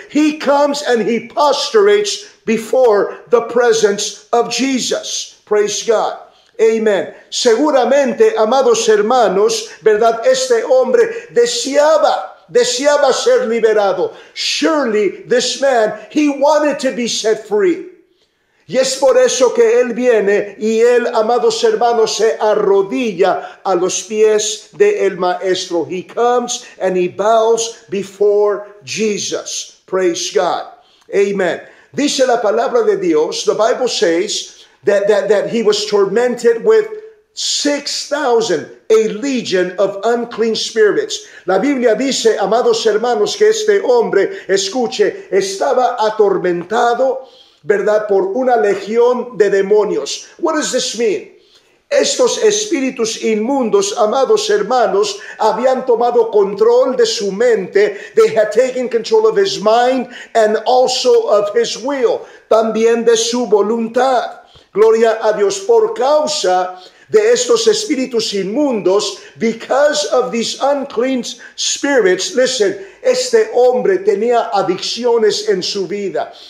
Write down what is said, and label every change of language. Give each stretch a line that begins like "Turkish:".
English: He comes and he prostrates before the presence of Jesus. Praise God. Amen.
Spanish: Seguramente, amados hermanos, ¿verdad? Este hombre deseaba ser liberado.
English: Surely, this man, he wanted to be set free.
Spanish: Y es por eso que él viene y él, amados hermanos, se arrodilla a los pies del Maestro.
English: He comes and he bows before Jesus. Praise God. Amen.
Spanish: Dice la palabra de Dios,
English: the Bible says, that he was tormented with 6,000, a legion of unclean spirits.
Spanish: La Biblia dice, amados hermanos, que este hombre, escuche, estaba atormentado, ¿verdad?, por una legión de demonios.
English: What does this mean?
Spanish: Estos espíritus inmundos, amados hermanos, habían tomado control de su mente.
English: They had taken control of his mind and also of his will.
Spanish: También de su voluntad. Gloria a Dios, por causa de estos espíritus inmundos,
English: because of these unclean spirits,
Spanish: listen, este hombre tenía adicciones en su vida.